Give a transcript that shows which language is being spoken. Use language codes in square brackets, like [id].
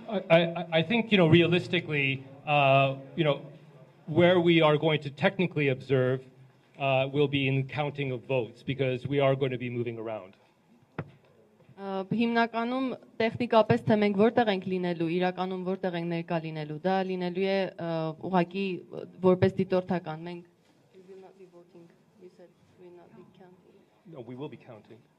[en] I think, you know, realistically, you know, where we are going to technically observe will be in counting of votes, because we are going to be moving around. [hy] Հիմնականում տեխնիկապես թե մենք որտեղ ենք լինելու, իրականում որտեղ ենք ներկա լինելու, դա լինելու է ուղղակի որպես դիտորդական, մենք [en] we will not be voting, you said we will not be counting. No, we will be counting.